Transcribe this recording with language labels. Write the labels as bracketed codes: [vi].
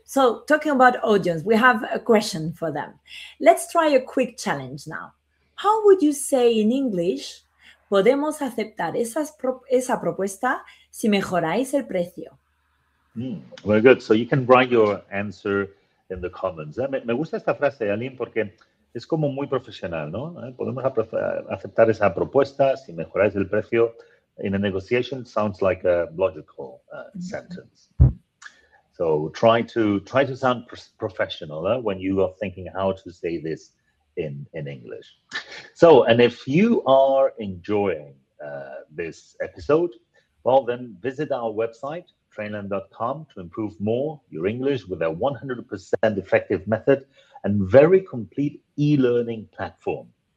[en] So talking about audience, we have a question for them. Let's try a quick challenge now. How would you say in English, [es] podemos aceptar esa propuesta si mejoráis el precio? [en] Very good. So you can write your answer in the comments. [es] Me gusta esta frase, Aline, porque es como muy profesional, ¿no? Podemos aceptar esa propuesta si mejoráis el precio. [en] In a negotiation, sounds like a logical sentence. So try to sound professional when you are thinking how to say this in English. So, and if you are enjoying this episode, well, then visit our website, trainland.com, to improve more your English with a 100% effective method and very complete e-learning platform.